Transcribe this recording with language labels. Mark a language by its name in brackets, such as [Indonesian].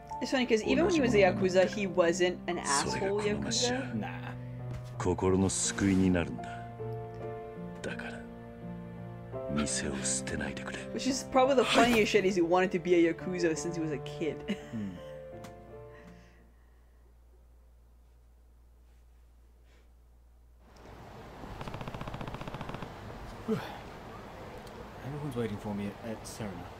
[English] It's funny because even when he was a Yakuza, he wasn't an asshole Yakuza. Nah. [Japanese] 心の救いになるんだ。だから店を捨てないでくれ。 [English] Which is probably the funniest shit is he wanted to be a Yakuza since he was a kid. Everyone's waiting for me at Serena.